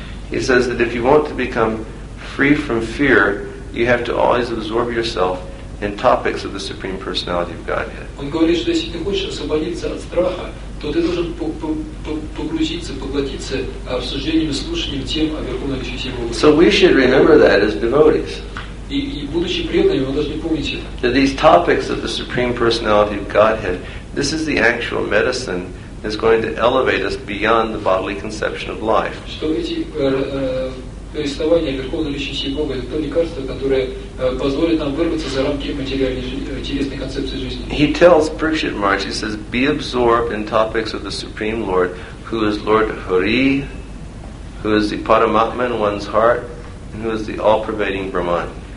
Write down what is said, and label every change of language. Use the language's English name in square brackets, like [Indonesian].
[English] He says that if you want to become free from fear, you have to always absorb yourself in topics of the Supreme Personality of Godhead. [Russian] Он говорит, что если ты хочешь освободиться от страха, то ты должен погрузиться, поглотиться обсуждением и слушанием тем о Верховной Личности Бога. [English] So we should remember that as devotees. [Russian] И будучи преданными, мы должны помнить это. [English] That these topics of the Supreme Personality of Godhead, this is the actual medicine that's going to elevate us beyond the bodily conception of life. [Russian] Что эти повествование о Верховной Личности Бога — это то лекарство, которое позволит нам вырваться за рамки материальной телесной концепции жизни. [English] He tells Parikshit Maharaj, he says, be absorbed in topics of the Supreme Lord, who is Lord Hari, who is the Paramatma in one's heart, and who is the all-pervading Brahman.